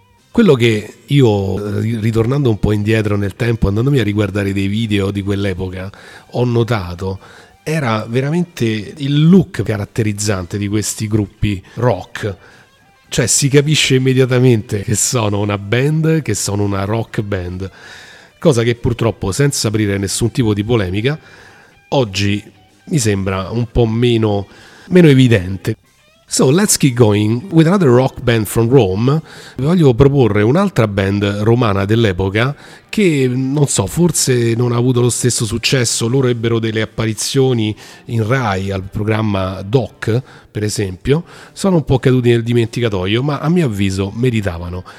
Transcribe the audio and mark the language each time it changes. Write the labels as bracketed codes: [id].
[it] Quello che io, ritornando un po' indietro nel tempo, andandomi a riguardare dei video di quell'epoca, ho notato era veramente il look caratterizzante di questi gruppi rock. Cioè, si capisce immediatamente che sono una band, che sono una rock band. Cosa che purtroppo, senza aprire nessun tipo di polemica, oggi mi sembra un po' meno evidente. [en] So, let's keep going with another rock band from Rome. [it] Vi voglio proporre un'altra band romana dell'epoca che, non so, forse non ha avuto lo stesso successo. Loro ebbero delle apparizioni in Rai al programma Doc, per esempio. Sono un po' caduti nel dimenticatoio, ma a mio avviso meritavano.